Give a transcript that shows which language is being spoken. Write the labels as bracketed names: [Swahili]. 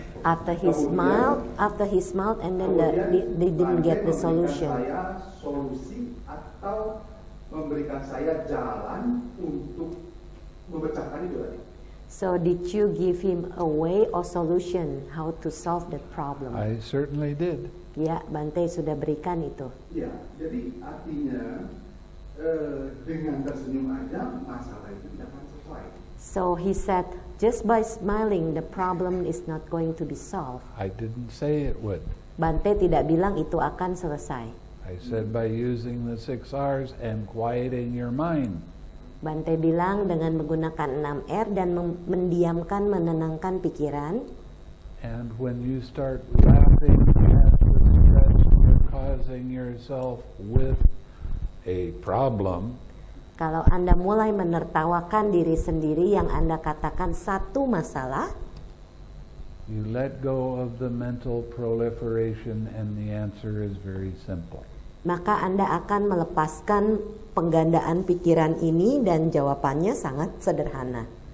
[English] After he smiled, and then they didn't get the solution. [Indonesian] Saya solusi Engkau memberikan saya jalan untuk memecahkan itu tadi. [English] So did you give him a way or solution how to solve that problem? I certainly did. [Indonesian] Ya, Bante sudah berikan itu. Ya, jadi artinya dengan tersenyum aja masalah itu tidak akan selesai. [English] So he said, just by smiling, the problem is not going to be solved. I didn't say it would. [Indonesian] Bante tidak bilang itu akan selesai. [English] I said by using the 6 R's and quieting your mind. [Indonesian] Bante bilang dengan menggunakan 6 R dan mendiamkan, menenangkan pikiran. [English] And when you start laughing at the stress you're causing yourself with a problem. [Indonesian] Kalau Anda mulai menertawakan diri sendiri yang Anda katakan satu masalah. [English] You let go of the mental proliferation and the answer is very simple. [Indonesian] Maka Anda akan melepaskan penggandaan pikiran ini dan jawabannya sangat sederhana.